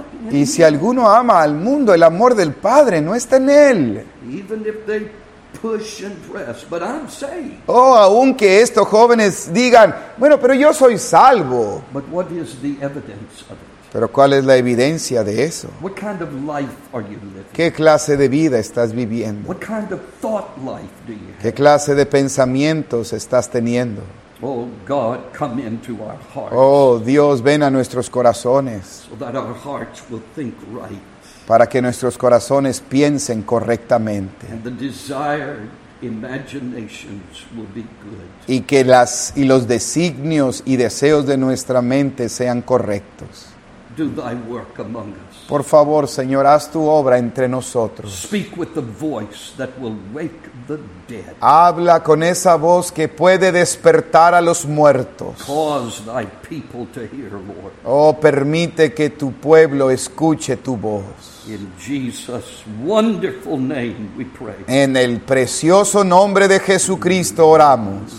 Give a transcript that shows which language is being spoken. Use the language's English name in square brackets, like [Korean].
[Spanish] Y si alguno ama al mundo, el amor del Padre no está en él. [English] Even if they push and press, but I'm saved. [Spanish] Oh, aunque estos jóvenes digan, bueno, pero yo soy salvo. [English] But what is the evidence of it? [Spanish] ¿Pero cuál es la evidencia de eso? [English] What kind of life are you living? [Spanish] ¿Qué clase de vida estás viviendo? [English] What kind of thought life do you have? [Spanish] ¿Qué clase de pensamientos estás teniendo? [English] Oh, God, come into our hearts. [Spanish] Oh, Dios, ven a nuestros corazones. [English] So that our hearts will think right. [Spanish] Para que nuestros corazones piensen correctamente. [English] And the desired imaginations will be good. [Spanish] Y que los designios y deseos de nuestra mente sean correctos. [English] Do thy work among us. [Spanish] Por favor, Señor, haz tu obra entre nosotros. [English] Speak with the voice that will wake the dead. [Spanish] Habla con esa voz que puede despertar a los muertos. [English] Cause thy people to hear, Lord. [Spanish] Oh, permite que tu pueblo escuche tu voz. [English] In Jesus' wonderful name we pray. [Spanish] En el precioso nombre de Jesucristo oramos.